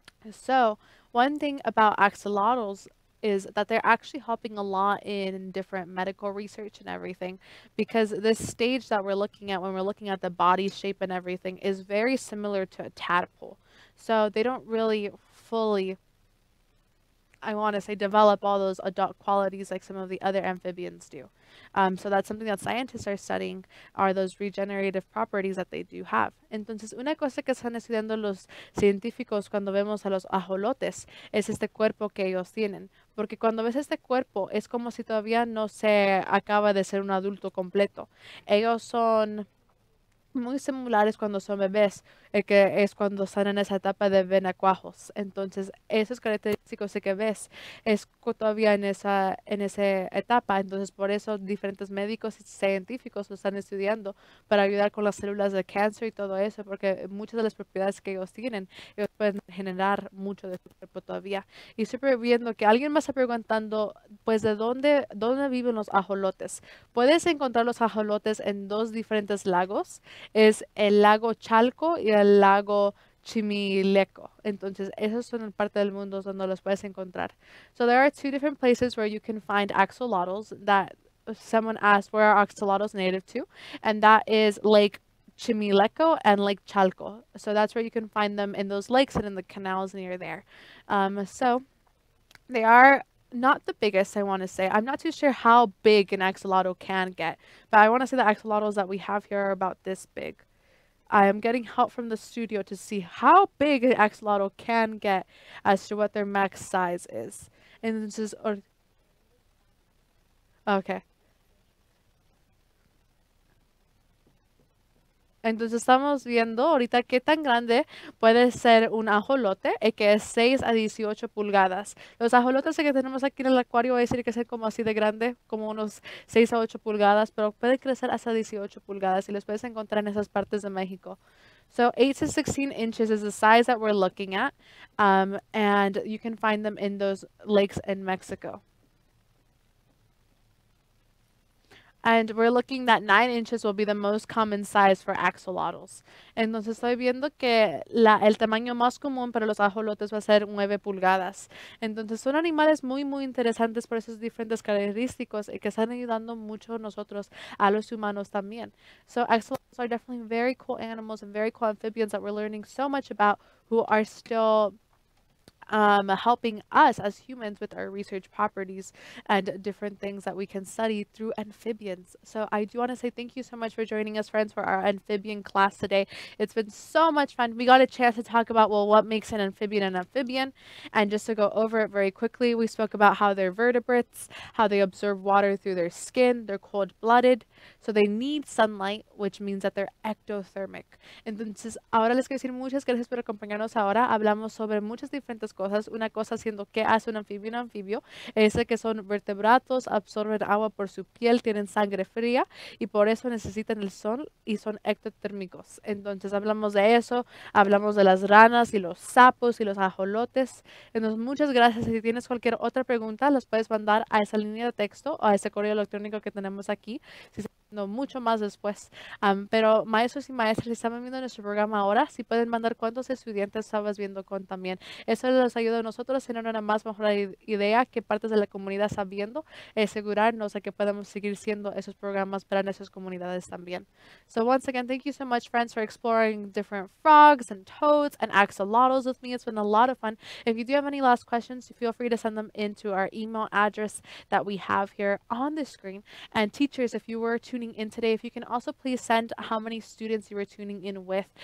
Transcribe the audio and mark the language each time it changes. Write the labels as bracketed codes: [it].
[en] So one thing about axolotls is that they're actually helping a lot in different medical research and everything, because this stage that we're looking at when we're looking at the body shape and everything is very similar to a tadpole. So they don't really fully, I want to say, develop all those adult qualities like some of the other amphibians do. So that's something that scientists are studying, are those regenerative properties that they do have. [es] Entonces, una cosa que están estudiando los científicos cuando vemos a los ajolotes es este cuerpo que ellos tienen. Porque cuando ves este cuerpo, es como si todavía no se acaba de ser un adulto completo. Ellos son muy similares cuando son bebés, que es cuando están en esa etapa de venacuajos. Entonces, esos característicos que ves es todavía en esa etapa. Entonces, por eso diferentes médicos y científicos lo están estudiando para ayudar con las células de cáncer y todo eso, porque muchas de las propiedades que ellos tienen, ellos pueden generar mucho de su cuerpo todavía. Y siempre viendo que alguien me está preguntando, pues, ¿de dónde viven los ajolotes? Puedes encontrar los ajolotes en dos diferentes lagos. Es el lago Chalco y el lago Chimileco. Entonces, esas son parte del mundo donde los puedes encontrar. [en] So there are two different places where you can find axolotls that someone asked, where are axolotls native to? And that is Lake Chimileco and Lake Chalco. So that's where you can find them in those lakes and in the canals near there. So they are not the biggest, I want to say. I'm not too sure how big an axolotl can get, but I want to say the axolotls that we have here are about this big. I am getting help from the studio to see how big an axolotl can get as to what their max size is. And this is, or okay. [es] Entonces estamos viendo ahorita qué tan grande puede ser un ajolote, que es 6 a 18 pulgadas. Los ajolotes que tenemos aquí en el acuario, voy a decir que es como así de grande, como unos 6 a 8 pulgadas, pero puede crecer hasta 18 pulgadas y los puedes encontrar en esas partes de México. [en] So 8 to 16 inches is the size that we're looking at, and you can find them in those lakes in Mexico. And we're looking that 9 inches will be the most common size for axolotls. [es] Entonces estoy viendo que el tamaño más común para los ajolotes va a ser 9 pulgadas. Entonces son animales muy, muy interesantes por esos diferentes características y que están ayudando mucho a nosotros, a los humanos también. [en] So axolotls are definitely very cool animals and very cool amphibians that we're learning so much about who are still helping us as humans with our research properties and different things that we can study through amphibians. So I do want to say thank you so much for joining us, friends, for our amphibian class today. It's been so much fun. We got a chance to talk about, well, what makes an amphibian, and just to go over it very quickly, we spoke about how they're vertebrates, how they absorb water through their skin, they're cold-blooded, so they need sunlight, which means that they're ectothermic. [es] Entonces, ahora les quiero decir muchas gracias por acompañarnos ahora. Hablamos sobre muchas diferentes cosas. Una cosa siendo qué hace un anfibio es que son vertebrados, absorben agua por su piel, tienen sangre fría y por eso necesitan el sol y son ectotérmicos. Entonces hablamos de eso, hablamos de las ranas y los sapos y los ajolotes. Entonces muchas gracias. Si tienes cualquier otra pregunta, las puedes mandar a esa línea de texto o a ese correo electrónico que tenemos aquí. Si No, mucho más después. Pero maestros y maestras, si están viendo nuestro programa ahora, si pueden mandar cuántos estudiantes estabas viendo con también. Eso les ayuda a nosotros a tener una más mejor idea qué partes de la comunidad están viendo, asegurarnos de que podamos seguir siendo esos programas para nuestras comunidades también. [en] So once again, thank you so much, friends, for exploring different frogs and toads and axolotls with me. It's been a lot of fun. If you do have any last questions, feel free to send them into our email address that we have here on the screen. And teachers, if you were tuning in today, if you can also please send how many students you were tuning in with.